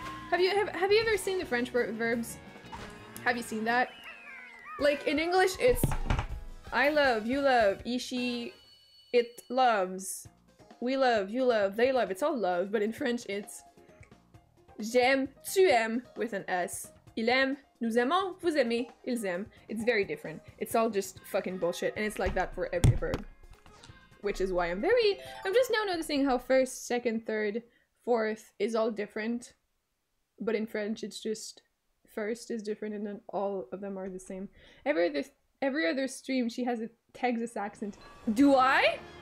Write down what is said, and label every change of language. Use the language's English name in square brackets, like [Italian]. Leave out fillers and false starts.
[English] Have you ever seen the French verbs? Have you seen that? Like, in English, it's... I love, you love, ishi, it loves. We love, you love, they love, it's all love, but in French it's [French] j'aime, tu aimes, [English] with an S. [French] Il aime, nous aimons, vous aimez, ils aiment. [English] It's very different. It's all just fucking bullshit, and it's like that for every verb. Which is why I'm just now noticing how first, second, third, fourth is all different. But in French it's just first is different and then all of them are the same. Every other stream she has a Texas accent. Do I?